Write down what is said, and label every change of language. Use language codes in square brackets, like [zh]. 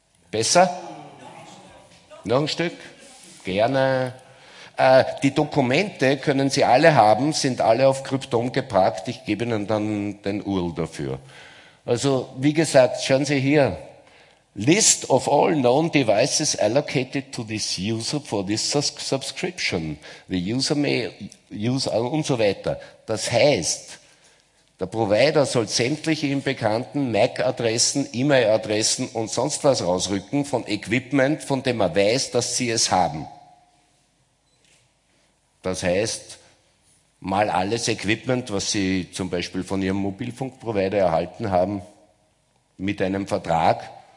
[de] Besser? Noch ein Stück? Gerne. Die Dokumente können Sie alle haben, sind alle auf Kryptom geparkt. Ich gebe Ihnen dann den URL dafür. Also, wie gesagt, schauen Sie hier. [en] List of all known devices allocated to this user for this subscription. The user may use [de] und so weiter. Das heißt, der Provider soll sämtliche ihm bekannten MAC-Adressen, E-Mail-Adressen und sonst was rausrücken von Equipment, von dem er weiß, dass sie es haben. Das heißt, mal alles Equipment, was sie zum Beispiel von ihrem Mobilfunkprovider erhalten haben, mit einem Vertrag.